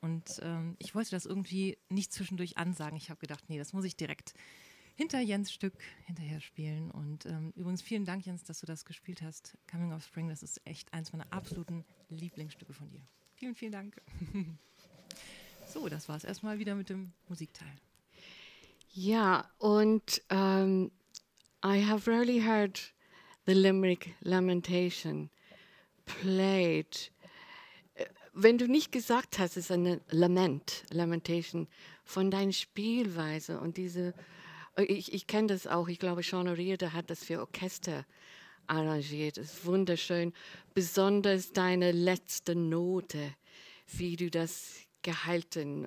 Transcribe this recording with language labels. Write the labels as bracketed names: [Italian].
[German] Und ich wollte das irgendwie nicht zwischendurch ansagen. Ich habe gedacht, nee, das muss ich direkt hinter Jens Stück hinterher spielen. Und übrigens vielen Dank, Jens, dass du das gespielt hast. Coming of Spring, das ist echt eins meiner absoluten Lieblingsstücke von dir. Vielen, vielen Dank. So, das war es erstmal wieder mit dem Musikteil. Ja, und [English] I have rarely heard the Limerick Lamentation played. [German] Wenn du nicht gesagt hast, es ist eine Lamentation von deiner Spielweise und diese, ich kenne das auch, ich glaube, Sean O'Riordan hat das für Orchester arrangiert. Es ist wunderschön, besonders deine letzte Note, wie du das gehalten.